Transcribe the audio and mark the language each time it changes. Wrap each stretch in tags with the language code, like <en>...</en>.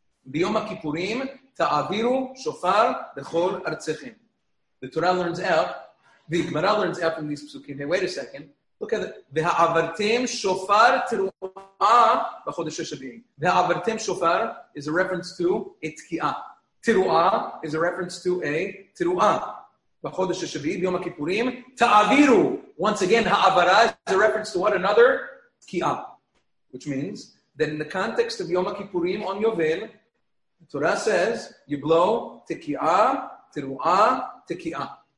<he>ביום הכיפורים תעבירו שופר בכל ארצכם.</he> <en>The Torah learns out, the Gemara learns out from these פסוקים. Hey, wait a second. Look at it.</en> <he>והעברתם שופר תרועה בחודש השביעים. והעברתם שופר</he> <en>is a reference to a תקיעה. תרועה is a reference to a תרועה.</en> <he>בחודש השביעי, ביום הכיפורים, תעבירו.</he> <en>Once again, העברה is a reference to what another? תקיעה. Which means that in the context of יום הכיפורים on יובל, the Torah says, you blow tekiah, teruah, tekiah.</en>